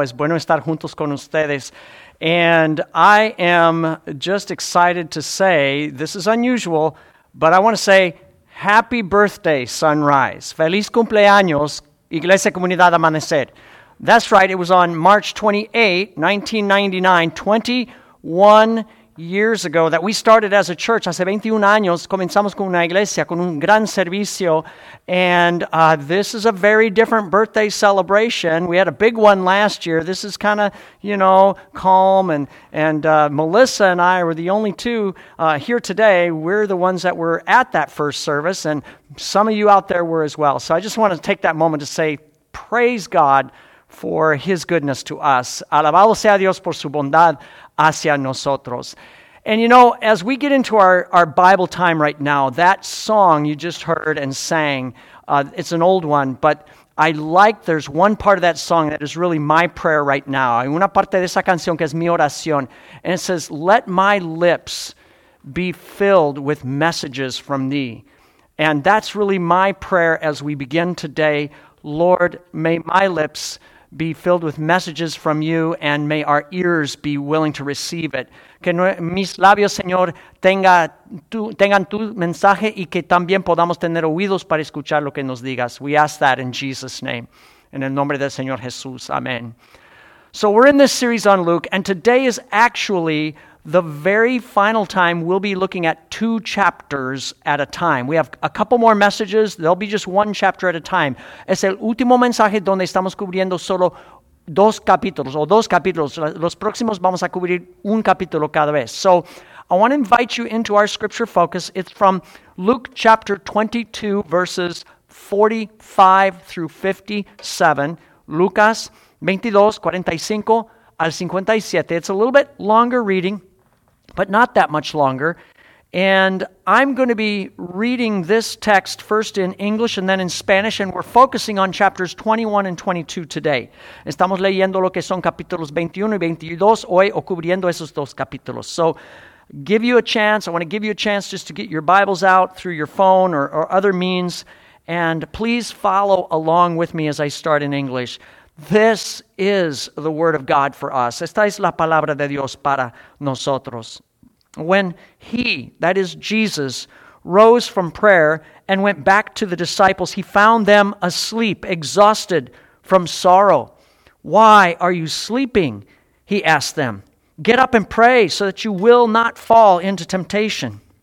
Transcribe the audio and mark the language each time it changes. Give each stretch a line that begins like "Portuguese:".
Spanish: Es bueno estar juntos con ustedes.
English: And I am just excited to say, this is unusual, but I want to say, happy birthday, sunrise.
Spanish: Feliz cumpleaños, iglesia, comunidad amanecer.
English: That's right, it was on March 28, 1999, 21 years ago that we started as a church.
Spanish: Hace 21 años comenzamos con una iglesia, con un gran servicio.
English: And this is a very different birthday celebration. We had a big one last year. This is kind of, you know, calm. And Melissa and I were the only two here today. We're the ones that were at that first service. And some of you out there were as well. So I just want to take that moment to say, praise God for his goodness to us.
Spanish: Alabado sea Dios por su bondad hacia nosotros.
English: And you know, as we get into our Bible time right now, that song you just heard and sang, it's an old one, but I like, there's one part of that song that is really my prayer right now.
Spanish: Hay una parte de esa canción que es mi oración.
English: And it says, let my lips be filled with messages from thee. And that's really my prayer as we begin today. Lord, may my lips be filled with messages from you, and may our ears be willing to receive it.
Spanish: Que mis labios, Señor, tengan tu mensaje y que también podamos tener oídos para escuchar lo que nos digas.
English: We ask that in Jesus' name.
Spanish: En el nombre del Señor Jesús.
English: Amen. So we're in this series on Luke, and today is actually the very final time we'll be looking at two chapters at a time. We have a couple more messages. They'll be just one chapter at a time.
Spanish: Es el último mensaje donde estamos cubriendo solo dos capítulos. Los próximos vamos a cubrir un capítulo cada vez.
English: So I want to invite you into our scripture focus. It's from Luke chapter 22, verses 45 through 57.
Spanish: Lucas 22, 45 al 57.
English: It's a little bit longer reading, but not that much longer. And I'm going to be reading this text first in English and then in Spanish, and we're focusing on chapters 21 and 22 today.
Spanish: Estamos leyendo lo que son capítulos 21 y 22 hoy, o cubriendo esos dos capítulos.
English: So I want to give you a chance just to get your Bibles out through your phone or other means, and please follow along with me as I start in English. This is the word of God for us.
Spanish: Esta es la palabra de Dios para nosotros.
English: When he, that is Jesus, rose from prayer and went back to the disciples, he found them asleep, exhausted from sorrow. Why are you sleeping? He asked them. Get up and pray so that you will not fall into temptation.